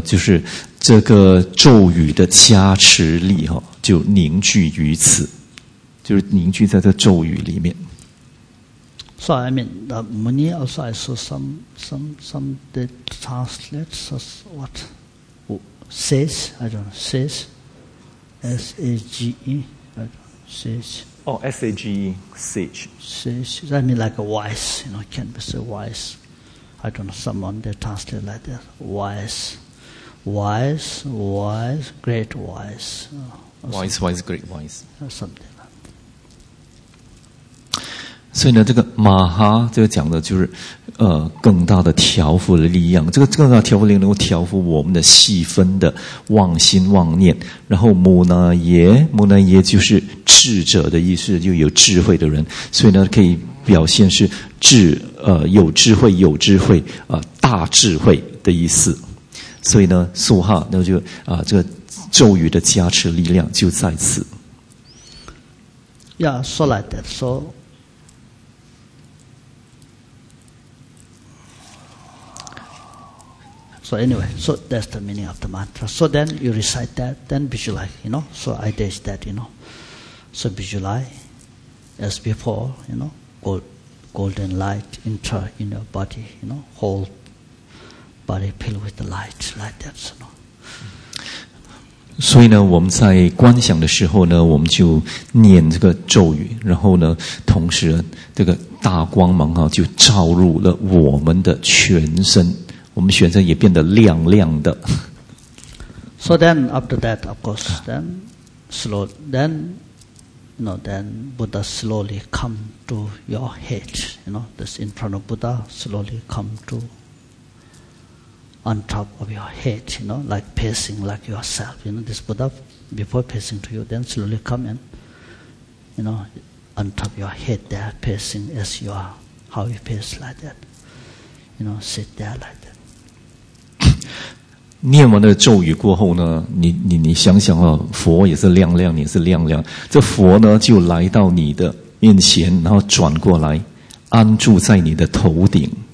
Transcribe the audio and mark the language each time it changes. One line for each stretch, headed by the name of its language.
Chinese: 就是这个咒语的加持力哈，就凝聚于此，就是凝聚在这咒语里面。
English: So I mean, the Muni also I saw some the translates as what. Says, I don't know, says, S-A-G-E, I don't know, says. Oh, S-A-G-E, sage. Says, I mean like a wise, you know, can be said wise. I don't know, someone they translate like that, wise, great wise, wise, great wise. Something.
Chinese: 所以呢，这个马哈这个讲的就是，更大的调伏的力量。这个更大的调伏力量能够调伏我们的细分的妄心妄念。然后摩那耶，摩那耶就是智者的意思，就有智慧的人。所以呢，可以表现是智，有智慧，有智慧，大智慧的意思。所以呢，苏哈那就这个咒语的加持力量就在此。
English: Yeah, so like that, so. So anyway, so that's the meaning of the mantra. So then you recite that, then visualize, you know. So I dash that, you know. So visualize, as before, you know, golden light enter in your body, you know, whole body filled with the light, like that, you know.
Chinese: 所以呢，我们在观想的时候呢，我们就念这个咒语，然后呢，同时这个大光芒啊，就照入了我们的全身。我们选择也变得亮亮的。
English: So then, after that, of course, then slow, then, you know, then Buddha slowly come to your head, you know, this in front of Buddha slowly come to on top of your head, you know, like pacing like yourself, you know, this Buddha before pacing to you, then slowly come in, you know, on top of your head there, pacing as you are, how you pace like that, you know, sit there like.
Chinese: 念完了咒语过后呢，你想想啊，佛也是亮亮，你也是亮亮。这佛呢就来到你的面前，然后转过来，安住在你的头顶。